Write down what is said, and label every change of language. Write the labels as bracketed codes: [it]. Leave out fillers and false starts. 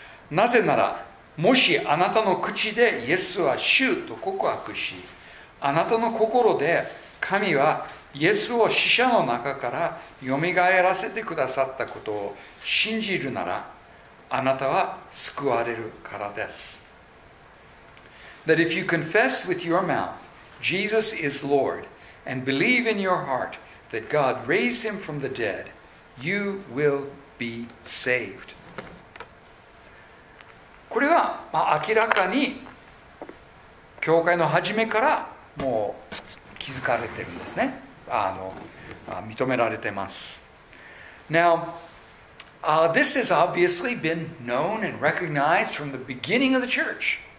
[ja] なぜなら、もしあなたの口でイエスは主と告白し、あなたの心で神はイエスを死者の中からよみがえらせてくださったことを信じるなら、あなたは救われるからです。 [en] That if you confess with your mouth Jesus is Lord and believe in your heart that God raised him from the dead, you will be saved. [ja] これは、明らかに教会の初めからもう気づかれてるんですね。認められてます。 [en] Now, this has obviously been known and recognized from the beginning of the church.